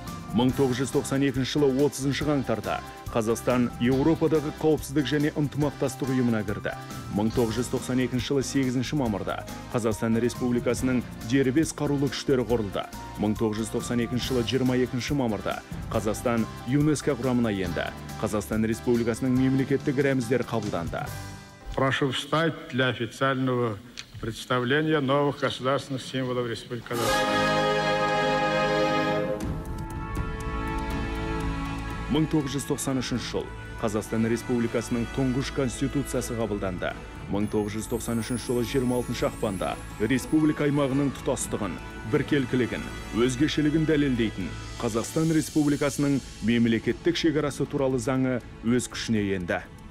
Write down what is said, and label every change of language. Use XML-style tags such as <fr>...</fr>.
<kk>1992 жылы 30 қаңтарда Қазақстан Еуропадағы қауіпсіздік және ынтымақтастық ұйымына кірді. 1992 жылы 8 мамырда Қазақстан Республикасының дербес қарулы күштері құрылды. 1992 жылы 22 мамырда Қазақстан ЮНЕСКО құрамына енді. Қазақстан Республикасының мемлекеттік рәміздері қабылданды.</kk> <ru>Прошу встать для официального представления новых государственных символов Республики Казахстан.</ru> <kk>1993 жыл Қазақстан Республикасының тұңғыш конституциясы қабылданды. 1993 жылы 26 ақпанда республика аймағының тұтастығын, біркелкілігін, өзгешелігін дәлелдейтін Қазақстан Республикасының мемлекеттік шекарасы туралы заңы өз күшіне енді.</kk>